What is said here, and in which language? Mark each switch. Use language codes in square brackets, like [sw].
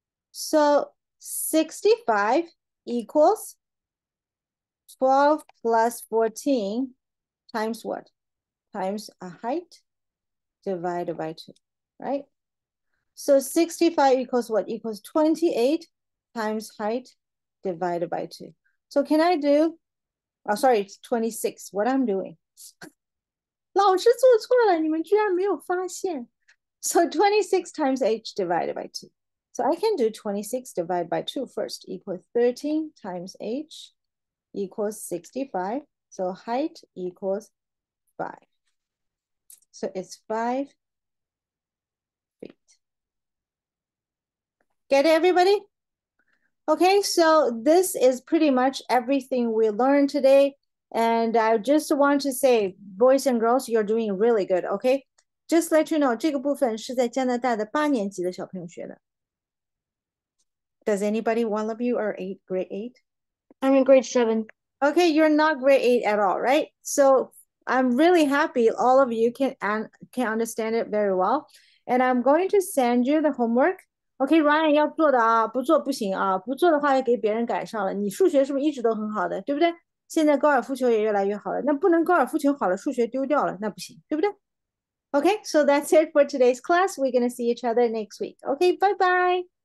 [en] So 65 equals 12 plus 14 times what? Times a height divided by 2, right? So 65 equals what? Equals 28 times height divided by 2. So can I do, oh, sorry, it's 26, what I'm doing. [zh] 老师做错了,你们居然没有发现。 [en] So 26 times h divided by 2. So I can do 26 divided by 2 first, equals 13 times h equals 65. So height equals 5. So it's 5 feet. Get it, everybody? Okay, so this is pretty much everything we learned today. And I just want to say, boys and girls, you're doing really good, okay? Just let you know, [zh] 这个部分是在加拿大的八年级的小朋友学的。 [en] Does anybody, one of you, are grade 8? I'm in grade 7. Okay, you're not grade 8 at all, right? So I'm really happy all of you can understand it very well. And I'm going to send you the homework. [zh] OK, Ryan, 要做的啊,不做不行啊,不做的话也给别人改上了,你数学是不是一直都很好的,对不对? 现在高尔夫球也越来越好了,那不能高尔夫球好了,数学丢掉了,那不行,对不对? [en] OK, so that's it for today's class. We're going to see each other next week. OK, bye-bye.